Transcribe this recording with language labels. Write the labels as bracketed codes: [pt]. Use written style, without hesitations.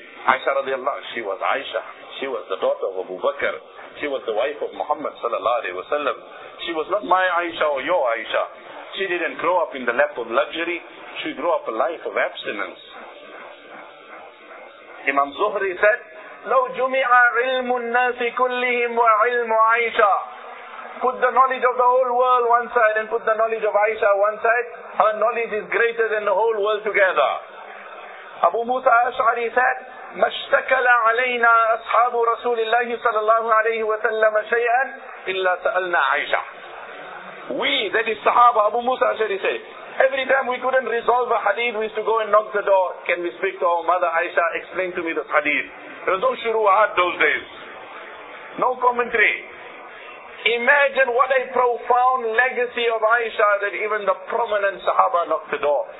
[en] Aisha radiallahu anha, she was Aisha. She was the daughter of Abu Bakr. She was the wife of Muhammad sallallahu alayhi wa sallam. She was not my Aisha or your Aisha. She didn't grow up in the lap of luxury. She grew up a life of abstinence. Imam Zuhri said, [ar] لو جمع علم الناس كلهم وعلم عائشة. [en] Put the knowledge of the whole world one side and put the knowledge of Aisha one side. Her knowledge is greater than the whole world together. Abu Musa Ash'ari said, [ar] ما اشتكل علينا أصحاب رسول الله صلى الله عليه وسلم شيئا إلا سألنا عائشة. [en] We, that is Sahaba, Abu Musa Ash'ari said, every time we couldn't resolve a hadith, we used to go and knock the door. Can we speak to our mother Aisha? Explain to me this hadith. There was no shuruat those days. No commentary. Imagine what a profound legacy of Aisha that even the prominent Sahaba knocked the door.